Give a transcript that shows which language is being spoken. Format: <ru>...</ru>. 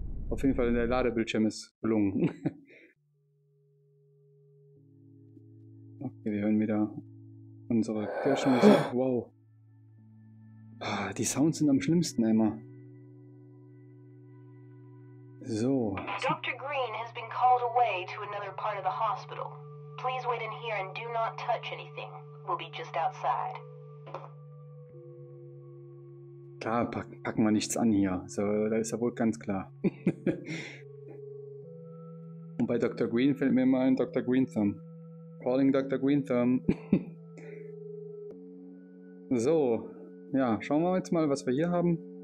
<de>Auf jeden Fall, der Ladebildschirm ist gelungen. Okay, wir hören wieder unsere Kirchenmusik. Wow. Die Sounds sind am schlimmsten immer. So.</de> <en>Dr. Green has been called away to another part of the hospital. Please wait in here and do not touch anything. We'll be just outside.</en> <de>Klar, packen wir nichts an hier. So, da ist ja wohl ganz klar. Und bei Dr. Green fällt mir mal ein Dr. Green Thumb.</de> <en>Calling Dr. Green Thumb.</en> <de>So, ja, schauen wir jetzt mal, was wir hier haben.</de>